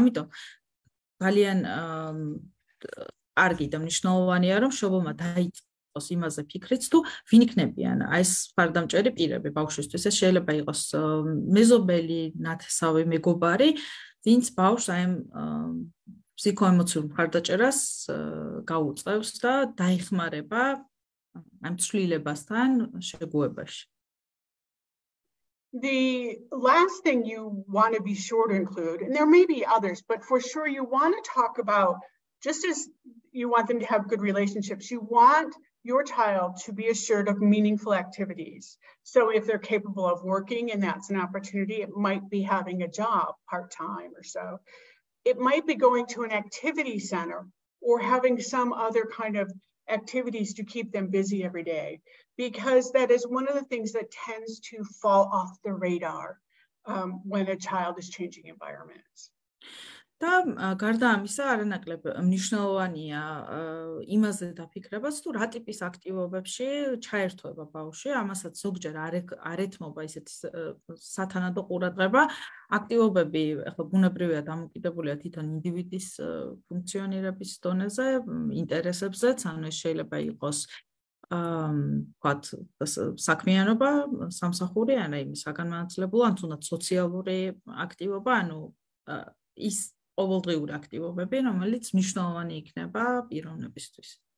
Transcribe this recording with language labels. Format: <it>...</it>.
<ka>ამიტომ ძალიან კარგი და მნიშვნელოვანია, რომ შობობა დაიწყოს იმაზე ფიქრიც, თუ ვინ იქნებიან ეს მხარდამჭერი პირები ბავშვისთვის. ეს შეიძლება იყოს მეზობელი, ნათესავი, მეგობარი, ვინც ბავშვს აი ფსიქოემოციურ მხარდაჭერას გაუწევს და დაეხმარება ამ ცვლილებასთან შეგუებაში.</ka> <en>The last thing you want to be sure to include, and there may be others, but for sure you want to talk about, just as you want them to have good relationships, you want your child to be assured of meaningful activities. So if they're capable of working and that's an opportunity, it might be having a job part-time or so. It might be going to an activity center or having some other kind of activities to keep them busy every day, because that is one of the things that tends to fall off the radar when a child is changing environments.</en> <ka>და გარდა ამისა, არანაკლებ მნიშვნელოვანია იმაზე დაფიქრებაც, თუ რა ტიპის აქტივობებში ჩაერთვება ბავშვი, ამასაც ზოგჯერ არეთმობა ისეთი სათანადო ყურადღება. აქტივობები ახლა ბუნებრივია დამოკიდებულია თვითონ ინდივიდის ფუნქციონირების დონეზე, ინტერესებზეც, ანუ შეიძლება იყოს ვთქვათ საქმიანობა, სამსახური, ანუ იმის საგანმანათლებლო, ან თუნდაც სოციალური აქტივობა, ანუ ის ყოველდღიური აქტივობები, რომელიც მნიშვნელოვანი იქნება პიროვნებისთვის.</ka>